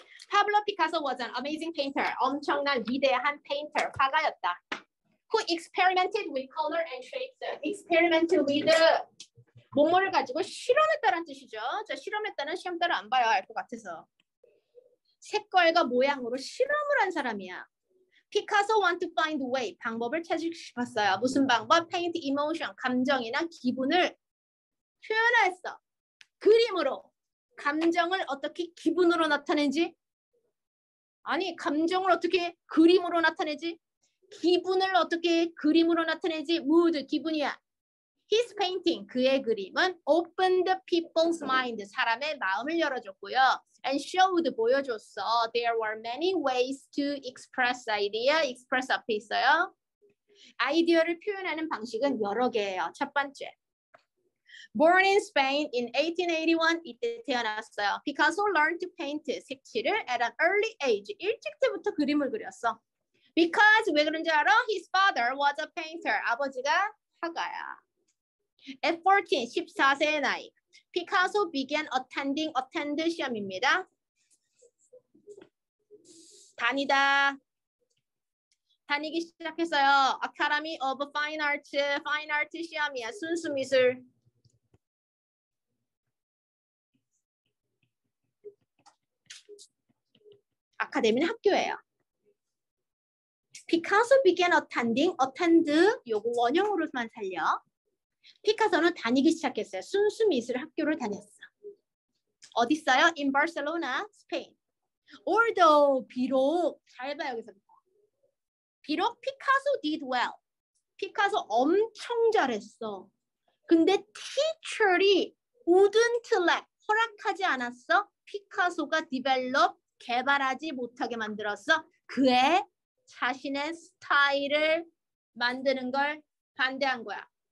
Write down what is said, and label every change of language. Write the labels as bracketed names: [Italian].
[English] Pablo Picasso was an amazing painter. [Korean] 엄청난 위대한 painter, 화가였다. [English] Who experimented with color and shapes. Experiment with. [Korean] 뭐뭐를 가지고 실험했다는 뜻이죠. 자, 실험했다는 시험 따로 안 봐요, 알 것 같아서. 색깔과 모양으로 실험을 한 사람이야. [English] Picasso want to find way. [Korean] 방법을 찾을 싶었어요. 무슨 방법? [English] Paint emotion, [Korean] 감정이나 기분을 표현했어. 그림으로 감정을 어떻게 기분으로 나타내는지. 아니, 감정을 어떻게 그림으로 나타내지? 기분을 어떻게 그림으로 나타내지? [English] Mood, [Korean] 기분이야. [English] His painting, [Korean] 그의 그림은 [English] opened people's mind, [Korean] 사람의 마음을 열어줬고요. [English] And showed, [Korean] 보여줬어. [English] There were many ways to express idea. [Korean] Express 앞에 있어요. 아이디어를 표현하는 방식은 여러 개예요. 첫 번째. [English] Born in Spain in 1881, [Korean] 이때 태어났어요. [English] Picasso learned to paint, [Korean] 색칠을 [English] at an early age, [Korean] 일찍 때부터 그림을 그렸어. [English] Because, [Korean] 왜 그런지 알아? [English] His father was a painter, [Korean] 아버지가 화가야. [English] At 14, [Korean] 14세의 나이, [English] Picasso began attending, attend [Korean] 시험입니다. 다니다. 다니기 시작했어요. [English] Academy of Fine Arts [Korean] 시험이야, 순수 미술. Academy는 학교예요. [English] Picasso began attending, attend, [Korean] 요거 원형으로만 살려. Picasso는 다니기 시작했어요. 순수 미술 학교를 다녔어. 어디 있어요? [English] In Barcelona, Spain. Although, [Korean] 비록, 잘 봐요, 여기서부터. 비록 [English] Picasso did well. [Korean] Picasso 엄청 잘했어. 근데 teacher이 [English] wouldn't let [Korean] 허락하지 않았어. 피카소가 디벨롭 개발하지 못하게 만들었어. 그의 자신의 스타일을 만드는 걸 반대한 거야.